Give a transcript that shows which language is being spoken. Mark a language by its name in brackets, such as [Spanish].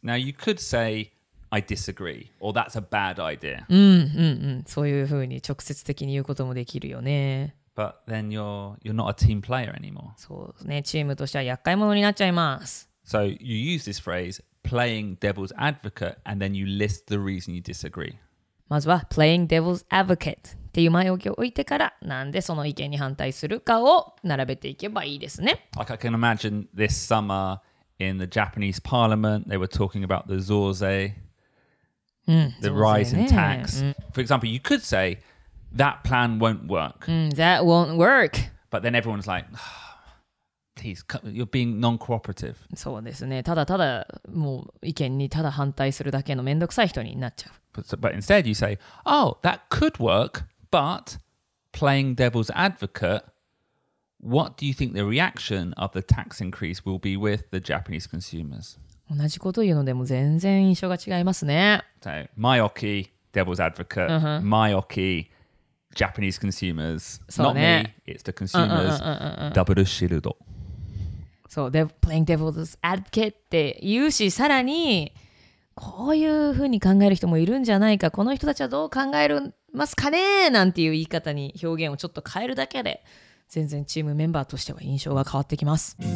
[English] Now you could say,I disagree, or that's a bad idea. [Japanese] うんうん、うん、そういうふうに直接的に言うこともできるよね。 [English] But then you're not a team player anymore. [Japanese] そうですね、チームとしては厄介者になっちゃいます。 [English] So you use this phrase, playing devil's advocate, and then you list the reason you disagree. [Japanese] まずは、 [English] playing devil's advocate [Japanese] っていう前置きを置いてから、なんでその意見に反対するかを並べていけばいいですね。 [English] Like I can imagine this summer in the Japanese parliament, they were talking about the zorzei. [Japanese] うん、 [English] the rise in tax.、うん、For example, you could say that plan won't work.、うん、that won't work. But then everyone's like,、oh, please, you're being non-cooperative. [Japanese] そうですね。ただただもう意見にただ反対するだけのめんどくさい人になっちゃう。 [English] But instead you say, oh, that could work, but playing devil's advocate, what do you think the reaction of the tax increase will be with the Japanese consumers? [Japanese] 同じこと言うのでも全然印象が違いますね。 [English] So, Maioki, Devil's Advocate,、uh-huh. Maioki, Japanese consumers,、 [Japanese] ね、 [English] not me, it's the consumers, double shield. [Japanese] So, [English] playing Devil's Advocate [Japanese] って言うし、さらにこういうふうに考える人もいるんじゃないか、この人たちはどう考えますかねなんていう言い方に表現をちょっと変えるだけで、全然チームメンバーとしては印象が変わってきます。